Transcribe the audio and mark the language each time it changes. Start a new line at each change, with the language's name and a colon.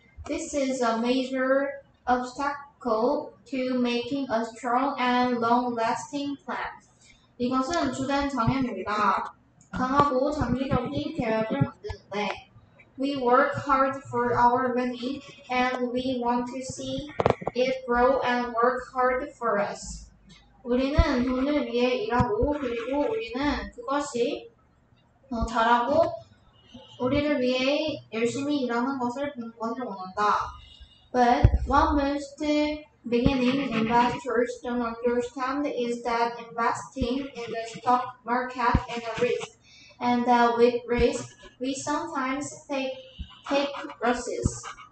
English: This is a major obstacle to making a strong and long-lasting plan.
Korean: 이것은 주된 장애물이다. 강하고 장기적인 계획을 만드는데
English: We work hard for our money and we want to see it grow and work hard for us.
Korean: 우리는 돈을 위해 일하고 그리고 우리는 그것이 잘하고 우리를 위해 열심히 일하는 것을 보는 것을 원한다.
English: But what most beginning investors don't understand is that investing in the stock market is a risk and that with risk we sometimes take losses.